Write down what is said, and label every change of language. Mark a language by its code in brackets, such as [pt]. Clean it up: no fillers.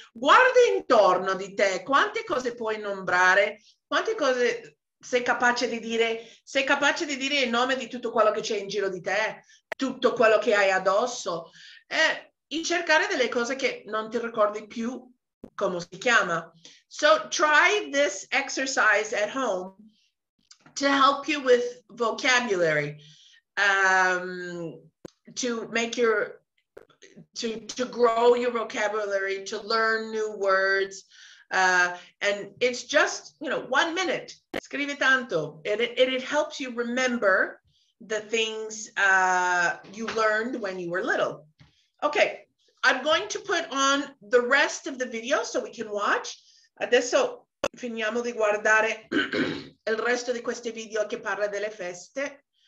[it] Guarda intorno di te, quante cose puoi nombrare, quante cose sei capace di dire, sei capace di dire il nome di tutto quello che c'è in giro di te, tutto quello che hai addosso, e cercare delle cose che non ti ricordi più come si chiama. [en] So try this exercise at home to help you with vocabulary, to make your to grow your vocabulary, to learn new words, and it's just, you know, 1 minute. [it] Scrivi tanto, [en] it helps you remember the things you learned when you were little. Okay, I'm going to put on the rest of the video so we can watch. [it] Adesso finiamo di guardare il resto di questo video che parla delle feste.